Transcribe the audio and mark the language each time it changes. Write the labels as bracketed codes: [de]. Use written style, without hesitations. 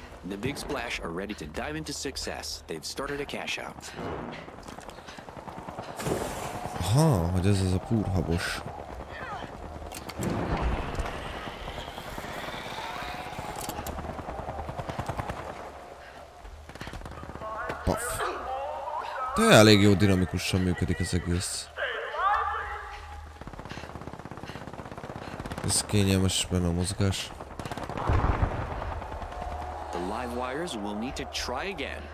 [en] The Big Splash are ready to dive into success. They've started a cash out. [hu] Aha, hogy ez az a púrhabos. Paf. De elég jó dinamikusan működik az egész. Ez kényelmes benne a mozgás. [en] The live wires will need to try again.